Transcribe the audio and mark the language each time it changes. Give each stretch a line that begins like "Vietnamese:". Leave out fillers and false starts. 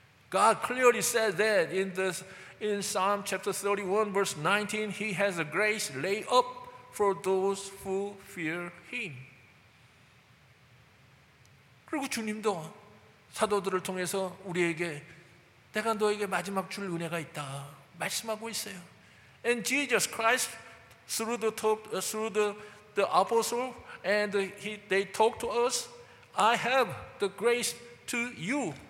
English: God clearly said that in Psalm chapter 31 verse 19, he has a grace laid up for those who fear him.
Korean: 그리고 주님도 사도들을 통해서 우리에게 내가 너에게 마지막 줄 은혜가 있다 말씀하고 있어요.
English: And Jesus Christ through the apostle and they talk to us, I have the grace to you.